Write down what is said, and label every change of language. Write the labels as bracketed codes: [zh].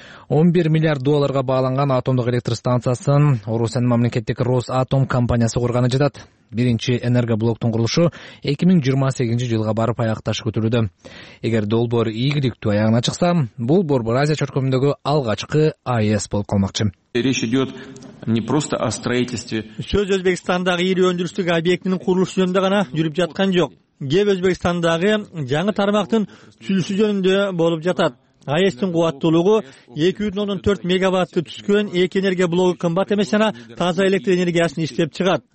[ky] 11 миллиард долларга бааланган атомдук электр станциясын Орусиянын мамлекеттик Росатом компаниясы курганы жатат. Биринчи энергоблоктун курулушу 2028 жылга барып аякташы күтүлүүдө. Эгер долбоор ийгиликтүү аягына чыкса, бул Борбор Азия чөркөмүндөгү алгачкы АЭС болуп калмакчы. [ru] Речь идет не просто о строительстве. [ky] Сөз Өзбекстандагы ири өндүрүштүк объектинин курулушу жөнүндө гана жүрүп жаткан жок. Кээ Өзбекстандагы жаңы тармактын түзүлүшү жөнүндө болуп жатат. АЭС'тин кубаттуулугу 2,4 мегаватты түзгөн эки энергия блогу кымбат эмес жана таза электр энергиясын иштеп чыгат.